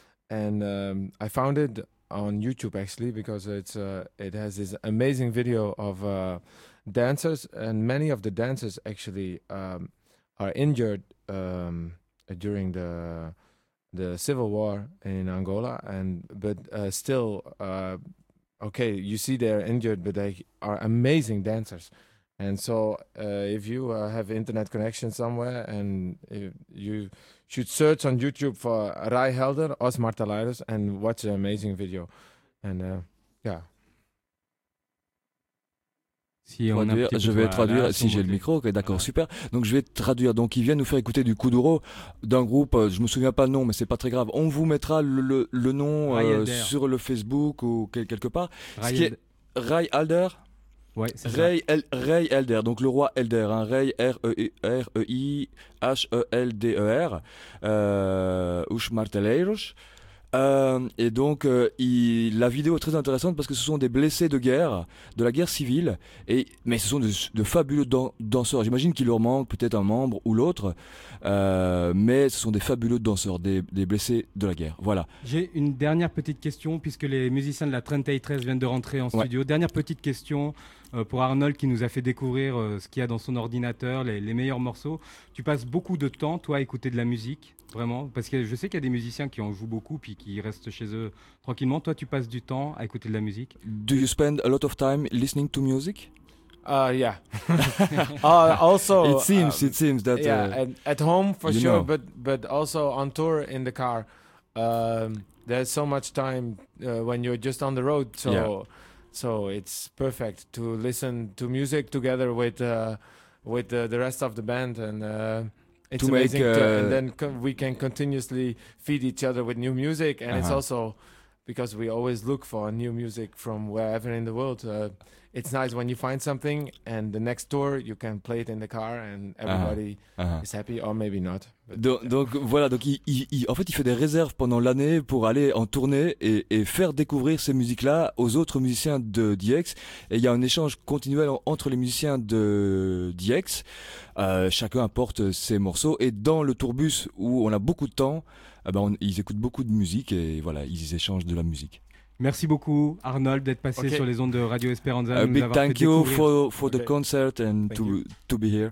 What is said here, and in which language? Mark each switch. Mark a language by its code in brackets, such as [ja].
[en] And I found it on YouTube actually, because it has this amazing video of dancers, and many of the dancers actually are injured during the civil war in Angola, but you see they're injured, but they are amazing dancers. And so if you have internet connection somewhere, and you should search on YouTube for Rai Helder, Os Martelairos, and watch an amazing video. And yeah. [fr] Si on traduire, je vais traduire, si j'ai le micro, ok, d'accord, ouais. Super. Donc je vais traduire, donc ils viennent nous faire écouter du Kuduro d'un groupe, je me souviens pas le nom, mais c'est pas très grave. On vous mettra le nom sur le Facebook ou quelque part. Ce qui est Rai Helder. Ouais, c'est Rai, Rai Helder, donc le roi Helder, hein, Rai R-E-I-H-E-L-D-E-R, Os Martelairos. Et donc, la vidéo est très intéressante parce que ce sont des blessés de guerre, de la guerre civile, mais ce sont de fabuleux danseurs. J'imagine qu'il leur manque peut-être un membre ou l'autre, mais ce sont des fabuleux danseurs, des blessés de la guerre. Voilà. J'ai une dernière petite question, puisque les musiciens de la Trente y Tres viennent de rentrer en studio. Ouais. Dernière petite question pour Arnold, qui nous a fait découvrir ce qu'il y a dans son ordinateur, les meilleurs morceaux. Tu passes beaucoup de temps, toi, à écouter de la musique, vraiment, parce que je sais qu'il y a des musiciens qui en jouent beaucoup puis qui restent chez eux tranquillement. Toi, tu passes du temps à écouter de la musique. [en] Do you spend a lot of time listening to music? Yeah. Also, it seems that yeah, and at home for sure, but also on tour in the car. There's so much time when you're just on the road, so. Yeah. So it's perfect to listen to music together with the rest of the band, and it's to amazing. We can continuously feed each other with new music, and uh-huh. It's also because we always look for new music from wherever in the world. It's nice when you find something, and the next tour you can play it in the car, and everybody is happy, or maybe not. [fr] Donc voilà, donc il fait des réserves pendant l'année pour aller en tournée et faire découvrir ces musiques-là aux autres musiciens de DX. Et il y a un échange continuel entre les musiciens de DX. Chacun apporte ses morceaux, et dans le tourbus où on a beaucoup de temps, ils écoutent beaucoup de musique, et voilà, ils échangent de la musique. Merci beaucoup, Arnold, d'être passé sur les ondes de Radio Esperanza. [en] A big thank you for the concert and to be here.